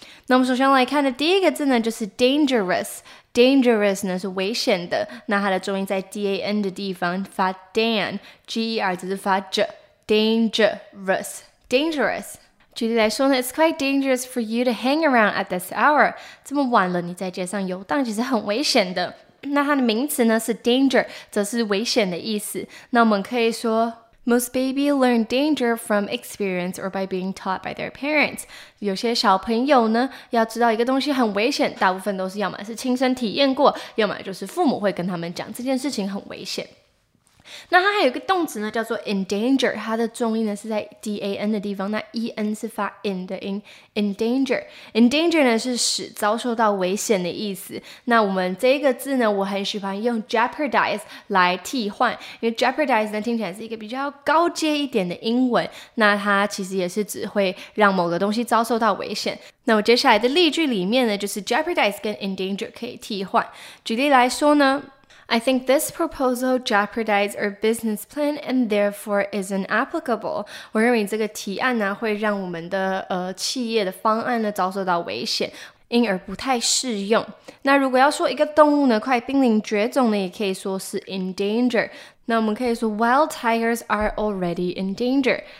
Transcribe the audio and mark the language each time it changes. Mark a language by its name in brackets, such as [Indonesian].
[Chinese] 那我们首先来看的第一个字呢，就是 dangerous。Dangerous 呢是危险的，那它的重音在 dan 的地方发 dan， ger 就是发 j， dangerous， dangerous。举例来说呢， [English] It's quite dangerous for you to hang around at this hour. [Chinese] 这么晚了你在街上游荡其实很危险的。那它的名词呢是 danger， 则是危险的意思。那我们可以说 [English] Most babies learn danger from experience or by being taught by their parents. [Chinese] 有些小朋友呢要知道一个东西很危险，大部分都是要么是亲身体验过，要么就是父母会跟他们讲这件事情很危险。那它还有一个动词呢叫做 endanger， 它的重音呢是在 dan 的地方，那 en 是发 in 的音， endanger， endanger 呢是使遭受到危险的意思。那我们这个字呢我很喜欢用 jeopardize 来替换，因为 jeopardize 呢听起来是一个比较高阶一点的英文，那它其实也是只会让某个东西遭受到危险。那我接下来的例句里面呢就是 jeopardize 跟 endanger 可以替换。举例来说呢， [English] I think this proposal jeopardizes our business plan and therefore isn't applicable. [Chinese] 我认为这个提案呢会让我们的企业的方案呢遭受到危险，因而不太适用。那如果要说一个动物呢快濒临绝种呢，也可以说是 in danger。那我们可以说 [English] wild tigers are already in danger.